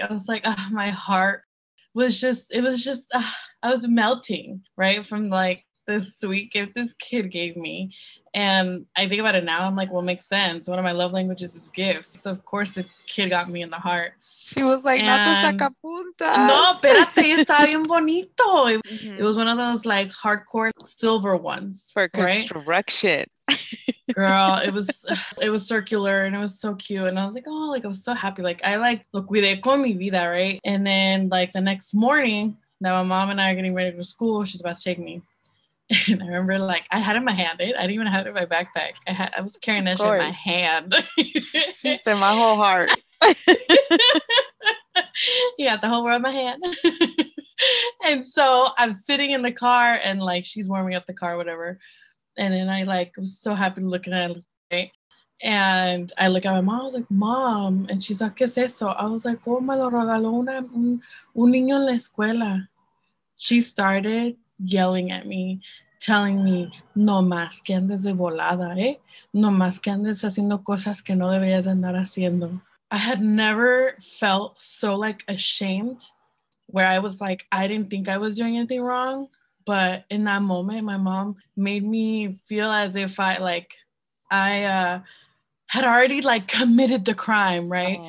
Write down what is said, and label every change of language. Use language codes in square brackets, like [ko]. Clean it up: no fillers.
[en] I was like, oh, my heart was just, it was just, I was melting, right, from like the sweet gift this kid gave me. And I think about it now, I'm like, well, it makes sense. One of my love languages is gifts. So of course the kid got me in the heart. She was like, and, not the sacapunta. [es] No, espérate, está bien bonito. Mm-hmm. [en] It was one of those like hardcore silver ones. For construction. Right? Girl, it was circular and it was so cute. And I was like, oh, like I was so happy. Like I like [es] lo cuidé con mi vida, [en] right? And then like the next morning. Now my mom and I are getting ready for school. She's about to take me. And I remember like I had it in my hand. I didn't even have it in my backpack. I was carrying that shit in my hand. She said my whole heart. Yeah, the whole world in my hand. And so I'm sitting in the car and like she's warming up the car, whatever. And then I like was so happy looking at it. Right? And I look at my mom, I was like, Mom, and she's like, [es] ¿qué es eso? [en] I was like, [es] ¿cómo me lo regaló un niño en la escuela? [en] She started yelling at me, telling me, [es] no más que andes de volada, eh? No más que andes haciendo cosas que no deberías andar haciendo. [en] I had never felt so like ashamed where I was like, I didn't think I was doing anything wrong. But in that moment, my mom made me feel as if I like, I had already like committed the crime, right?